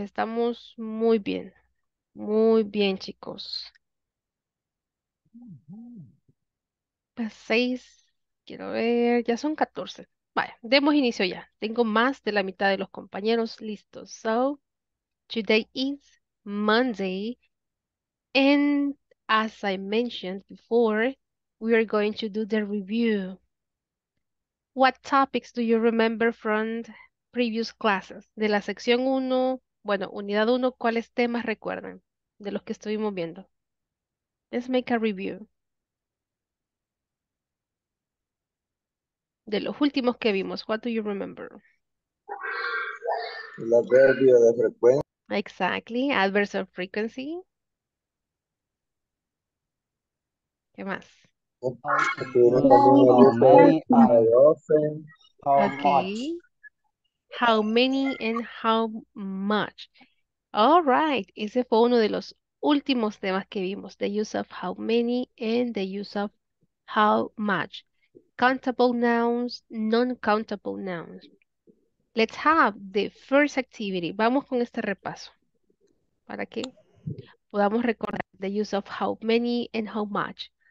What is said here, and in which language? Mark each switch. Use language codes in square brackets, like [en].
[es] Estamos muy bien. Muy bien, chicos. Pues 6, quiero ver, ya son 14. Vaya, demos inicio ya. Tengo más de la mitad de los compañeros listos. [en] So, today is Monday. And as I mentioned before, we are going to do the review. What topics do you remember from previous classes? [es] De la sección 1, bueno, unidad 1, ¿cuáles temas recuerdan de los que estuvimos viendo? [en] Let's make a review. [es] De los últimos que vimos, [en] what do you remember? [es] El adverbio de frecuencia. [en] Exactly, adverse of frequency. [es] ¿Qué más? Estuvieron también el [en] How [es] uso de [en] many I often, how much. Okay. How many and how much? All right. [es] Ese fue uno de los últimos temas que vimos. [en] The use of how many and the use of how much. Countable nouns, non-countable nouns. Let's have the first activity. [es] Vamos con este repaso para que podamos recordar [en] the use of how many and how much.